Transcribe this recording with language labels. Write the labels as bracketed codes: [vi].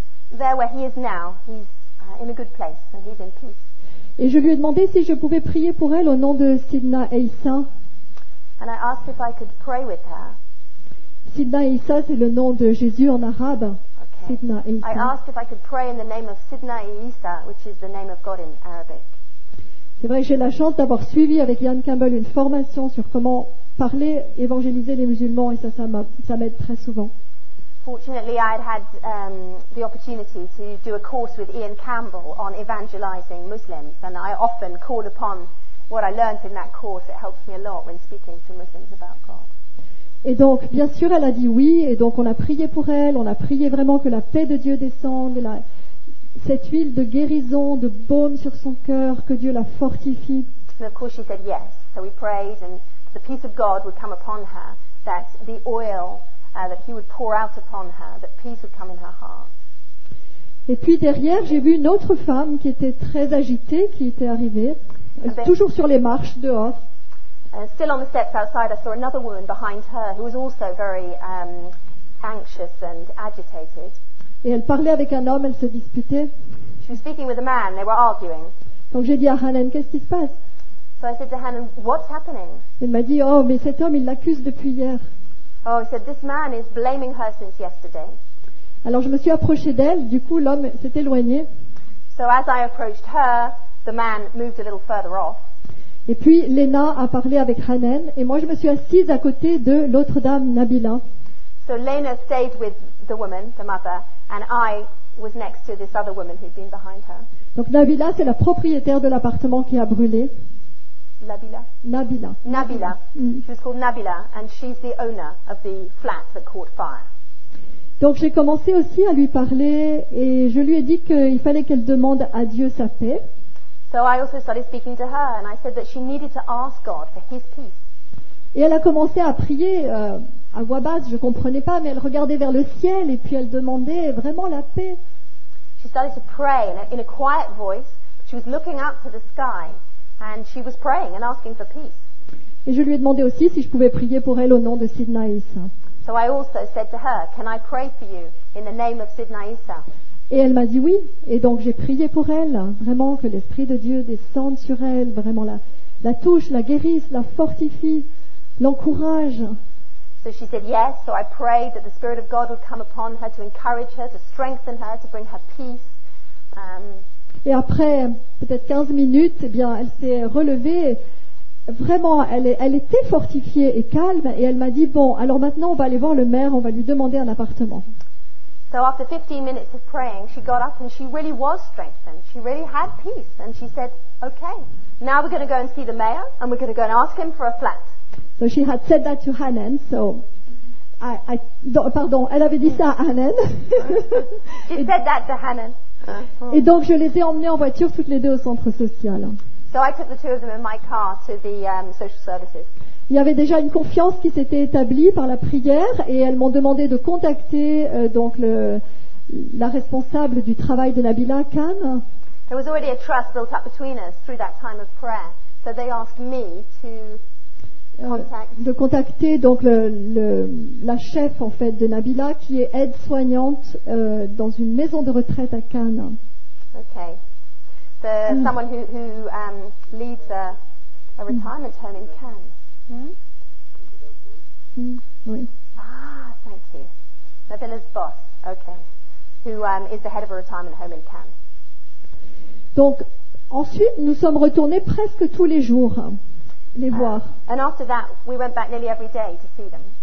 [en] There where he is now, he's in a good place, and he's in peace. [fr] Et je lui ai demandé si je pouvais prier pour elle au nom de Sidna et Issa. [en] And I asked if I could pray with her. [fr] Sidna et Issa, c'est le nom de Jésus en arabe. [en] Okay. [fr] Sidna et Issa. [en] I asked if I could pray in the name of Sidna et Issa, which is the name of God in Arabic. [fr] C'est vrai que j'ai la chance d'avoir suivi avec Ian Campbell une formation sur comment parler, évangéliser les musulmans, et ça m'aide très souvent. [en] Fortunately, I had the opportunity to do a course with Ian Campbell on evangelizing Muslims, and I often call upon what I learned in that course. It helps me a lot when speaking to Muslims about God. [fr] Et donc, bien sûr, elle a dit oui, et donc on a prié pour elle, on a prié vraiment que la paix de Dieu descende, et cette huile de guérison, de baume sur son cœur, que Dieu la fortifie. [en] And of course, she said yes. So we prayed, and the peace of God would come upon her, that the oil that he would pour out upon her, that peace would come in her heart. [fr] Et puis derrière, j'ai vu une autre femme qui était très agitée, qui était arrivée, toujours sur les marches dehors. [en] Still on the steps outside, I saw another woman behind her who was also very anxious and agitated. [fr] Et elle parlait avec un homme, elle se disputait. [en] She was speaking with a man, they were arguing. [fr] Donc j'ai dit à Hanan, qu'est-ce qui se passe? [en] So I said to Hanan, what's happening? [fr] Elle m'a dit, oh, mais cet homme, il l'accuse depuis hier. [en] Oh, he said, this man is blaming her since yesterday. [fr] Alors je me suis approchée d'elle, du coup l'homme s'est éloigné. [en] So as I approached her, the man moved a little further off. [fr] Et puis Lena a parlé avec Hanan, et moi je me suis assise à côté de l'autre dame, Nabila. [en] So Lena stayed with the woman, the mother, and I was next to this other woman who'd been behind her. [fr] Donc Nabila, c'est la propriétaire de l'appartement qui a brûlé. Nabila. [en] She was called Nabila, and she's the owner of the flat that caught fire. [fr] Donc j'ai commencé aussi à lui parler, et je lui ai dit qu'il fallait qu'elle demande à Dieu sa paix. [en] So I also started speaking to her, and I said that she needed to ask God for His peace. [fr] Et elle a commencé à prier à voix basse. Je comprenais pas, mais elle regardait vers le ciel, et puis elle demandait vraiment la paix. [en] She started to pray in a quiet voice. She was looking up to the sky. And she was praying and asking for peace. [fr] Et je lui ai demandé aussi si je pouvais prier pour elle au nom de Sidna Issa. [en] So I also said to her, can I pray for you in the name of Sidna Issa? [fr] Et elle m'a dit oui. Et donc j'ai prié pour elle, vraiment que l'Esprit de Dieu descende sur elle, vraiment la touche, la guérisse, la fortifie, l'encourage. [en] So she said yes. So I prayed that the Spirit of God would come upon her to encourage her, to strengthen her, to bring her peace. [fr] Et après peut-être 15 minutes, eh bien, elle s'est relevée. Vraiment, elle était fortifiée et calme. Et elle m'a dit, bon, alors maintenant, on va aller voir le maire, on va lui demander un appartement. [en] So after 15 minutes of praying, she got up and she really was strengthened. She really had peace. And she said, okay, now we're going to go and see the mayor and we're going to go and ask him for a flat. So she had said that to Hanan, so... [fr] Pardon, elle avait dit ça à Hanan. [en] She said that to Hanan. [fr] Et donc je les ai emmenés en voiture toutes les deux au centre social. [en] So I took the two of them in my car to the social services. [fr] Il y avait déjà une confiance qui s'était établie par la prière, et elles m'ont demandé de contacter donc la responsable du travail de Nabila, Khan. [en] There was already a trust built up between us through that time of prayer. So they asked me to [fr] De contacter donc la chef en fait de Nabila, qui est aide-soignante dans une maison de retraite à Cannes. [en] Okay. The someone who leads a retirement home in Cannes. [fr] Oui. [en] Ah, thank you. Nabila's boss. Okay. Who is the head of a retirement home in Cannes. [fr] Donc ensuite nous sommes retournés presque tous les jours. Les voir. [en] And after that, we went back nearly every day to see them.